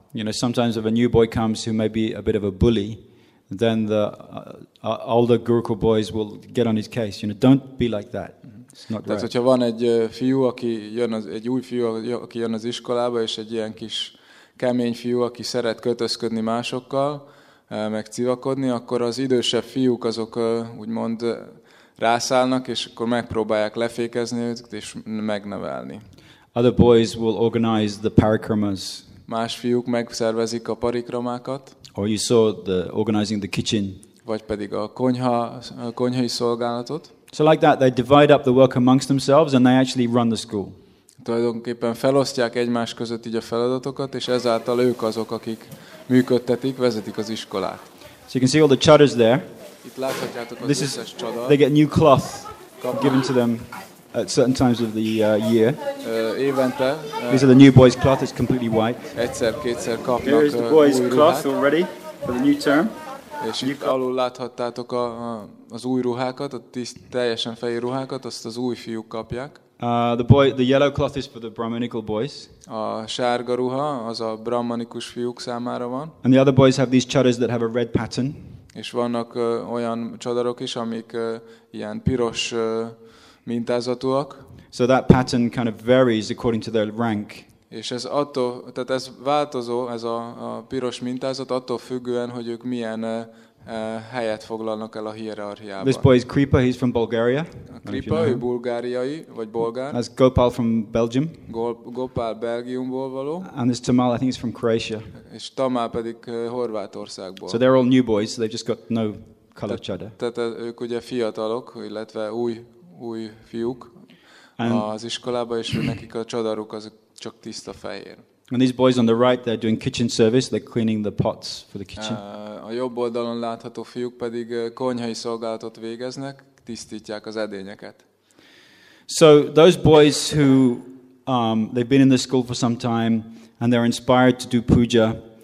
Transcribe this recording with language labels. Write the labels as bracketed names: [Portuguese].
[English] You know, sometimes if a new boy comes who may be a bit of a bully, then the older Gurukul boys will get on his case. You know, don't be like that. It's not [Hungarian] tehát, Hogyha van egy fiú, aki jön az, egy új fiú, aki jön az iskolába, és egy ilyen kis kemény fiú, aki szeret kötözködni másokkal, meg civakodni, akkor az idősebb fiúk azok úgymond rászállnak, és akkor megpróbálják lefékezni őt, és megnevelni. [English] Other boys will organize the parikramas. [Hungarian] Más fiúk megszervezik a parikramákat. [English] Or you saw the organizing the kitchen. [Hungarian] Vagy pedig a konyhai szolgálatot. [English] So like that, they divide up the work amongst themselves, and they actually run the school. [Hungarian] Tulajdonképpen felosztják egymás között így a feladatokat, és ezáltal ők azok, akik működtetik, vezetik az iskolát. [English] So you can see all the chadars there. [Hungarian] Itt láthatjátok az összes csadar. [English] They get new cloth given to them at certain times of the year. [Hungarian] Évente. [English] These are the new boys' cloth, it's completely white. [Hungarian] Egyszer, kétszer kapnak. [English] Here is the boys' cloth already for the new term. [Hungarian] És itt alul láthattátok az új ruhákat, a tiszt, teljesen fehér ruhákat, azt az új fiúk kapják. [English] The yellow cloth is for the brahmanical boys. [Hungarian] A sárga ruha az a brahmanikus fiúk számára van. [English] And the other boys have these chadars that have a red pattern. [Hungarian] És vannak olyan csadarok is, amik ilyen piros mintázatúak. [English] So that pattern kind of varies according to their rank. [Hungarian] És ez attól, tehát ez változó, ez a piros mintázat attól függően, hogy ők milyen helyet foglalnak el a hierarchiában. [English] This boy is Kripa, he's from Bulgaria. [Hungarian] Kripa, [English] you know, [Hungarian] ő bulgáriai, vagy bolgár. [English] That's Gopal from Belgium. [Hungarian] Gopal Belgiumból való. [English] And this Tamal, I think, is from Croatia. [Hungarian] És Tamal pedig Horvátországból. [English] So they're all new boys, so they've just got no color chadar. [Hungarian] Tehát ők ugye fiatalok, illetve új fiúk and az iskolába, és nekik a csadaruk az csak tiszta fehér. [English] And these boys on the right, they're doing kitchen service, they're cleaning the pots for the kitchen. [Hungarian] A jobb oldalon látható fiúk pedig konyhai szolgálatot végeznek, tisztítják az edényeket. [English] So those boys who they've been in the school for some time and they're inspired to do puja.